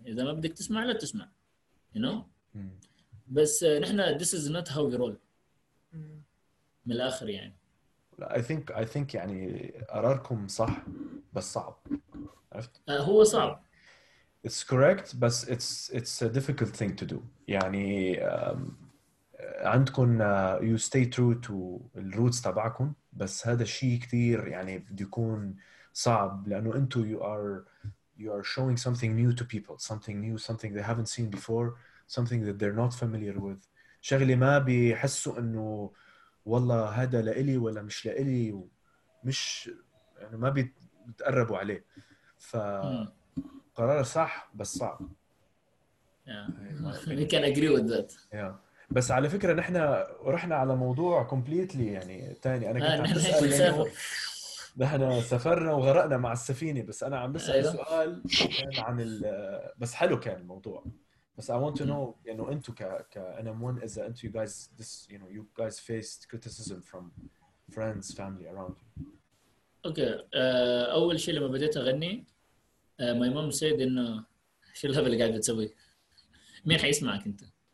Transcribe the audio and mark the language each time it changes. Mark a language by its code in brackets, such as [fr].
[ar] إذا ما بدك تسمع لا تسمع, [en] you know. [ar] بس نحنا [en] this is not how we roll. [ar] من الآخر يعني. [en] I think [ar] يعني قراركم صح بس صعب. عرفت؟ هو صعب. [en] It's correct, but it's a difficult thing to do. [ar] يعني عندكم [en] you stay true to the roots [ar] تبعكم, بس هذا شيء كتير يعني بده يكون صعب لأنه أنتوا [en] you are showing something new to people, something new, something they haven't seen before, something that they're not familiar with. [ar] شغلي ما بيحسوا إنه والله هذا لإلي ولا مش لإلي, ومش يعني ما بيتقربوا عليه. فقرار صح بس صعب. [en] Yeah, we can agree with that. Yeah. [ar] بس على فكرة نحنا رحنا على موضوع [en] completely [ar] يعني تاني. أنا كنت عم بسأل نحن سافرنا وغرقنا مع السفينة, بس أنا عم بسأل سؤال عن بس حلو كان الموضوع. بس [en] I want to know you know [ar] انتو ك ك [en] NM1 is that [ar] انتو [en] you guys this you know you guys faced criticism from friends family around you. Okay. [ar] أول شيء لما بديت أغني [en] my mom said [ar] إنه شو الهبل اللي قاعد تسوي مين حيسمعك أنت.